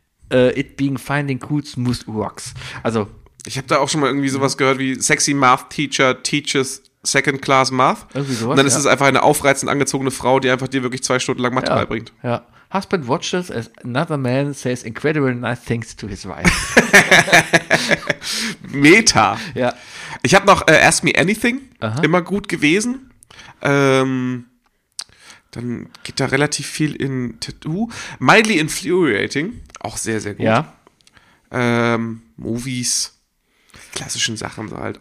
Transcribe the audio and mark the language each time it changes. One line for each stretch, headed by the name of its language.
English: It being finding cool smooth rocks.
German: Also, ich habe da auch schon mal irgendwie sowas gehört wie
English: sexy math teacher teaches second class math.
German: Irgendwie sowas, und dann ist es einfach eine aufreizend angezogene Frau, die einfach dir wirklich 2 Stunden lang Mathe beibringt. Ja.
English: Husband watches as another man says incredible nice things to his wife.
German: Meta. Ja. Ich habe noch Ask Me Anything, immer gut gewesen. Dann geht da relativ viel in Tattoo. Mildly Infuriating, auch sehr, sehr gut. Ja. Movies, klassischen Sachen so halt.